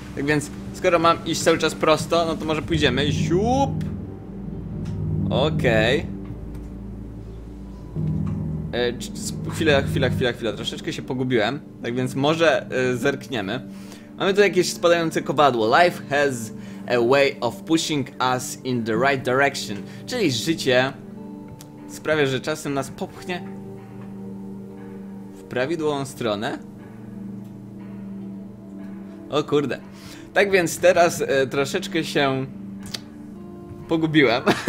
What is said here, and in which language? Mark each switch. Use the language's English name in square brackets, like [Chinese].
[Polish] Tak więc, skoro mam iść cały czas prosto, no to może pójdziemy. Siup! Okej. Chwila, troszeczkę się pogubiłem. Tak więc może zerkniemy. Mamy tu jakieś spadające kowadło. [English] Life has a way of pushing us in the right direction. [Polish] Czyli życie sprawia, że czasem nas popchnie w prawidłową stronę. O kurde. Tak więc teraz troszeczkę się pogubiłem.